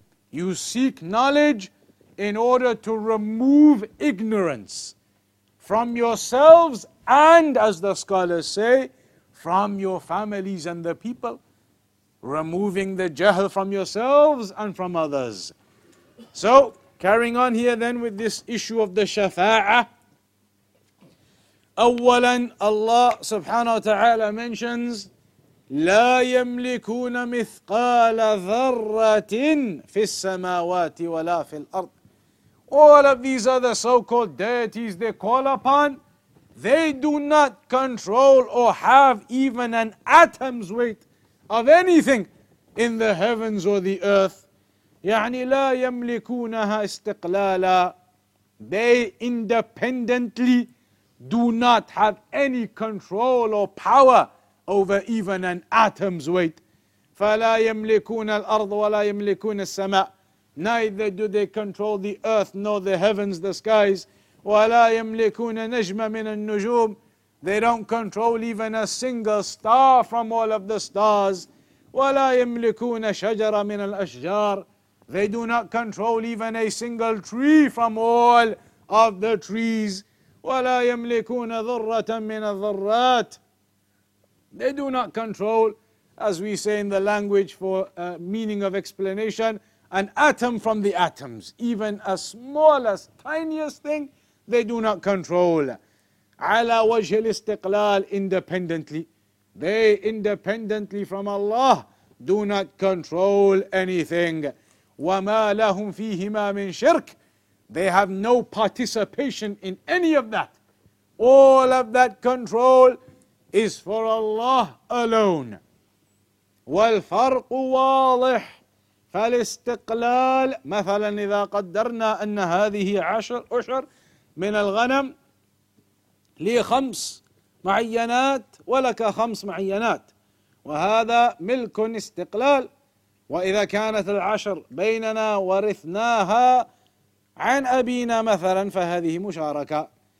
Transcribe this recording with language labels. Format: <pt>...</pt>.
<en>You seek knowledge in order to remove ignorance from yourselves and, as the scholars say, from your families and the people. Removing the jahl from yourselves and from others. So, carrying on here then with this issue of the shafa'ah.</en> <ar>أولاً</ar> <en>Allah subhanahu wa ta'ala mentions,</en> <ar>لا يملكون مثقال ذرة في السماوات ولا في الأرض.</ar> <en>All of these other so-called deities they call upon, they do not control or have even an atom's weight of anything in the heavens or the earth.</en> <ar>يعني لا يملكونها استقلالا.</ar> <en>They independently do not have any control or power over even an atom's weight.</en> <ar>فلا يملكون الأرض ولا يملكون السماء.</ar> <en>Neither do they control the earth nor the heavens, the skies.</en> <ar>ولا يملكون نجمة من النجوم.</ar> <en>They don't control even a single star from all of the stars.</en> <ar>ولا يملكون شجرة من الأشجار.</ar> <en>They do not control even a single tree from all of the trees.</en> <ar>ولا يملكون ذرة من الذرات.</ar> <en>They do not control, as we say in the language for meaning of explanation, an atom from the atoms. Even a smallest, tiniest thing, they do not control.</en> <ar>على وجه الاستقلال,</ar> <en>independently. They independently from Allah do not control anything.</en> <ar>وما لهم فيهما من شرك.</ar> <en>They have no participation in any of that. All of that control is for Allah alone.</en> <ar>والفرق واضح. فالاستقلال مثلا إذا قدرنا أن هذه عشر أشهر من الغنم لي خمس معينات ولك خمس معينات وهذا ملك استقلال وإذا كانت العشر بيننا ورثناها عن أبينا مثلا فهذه مشاركة.</ar>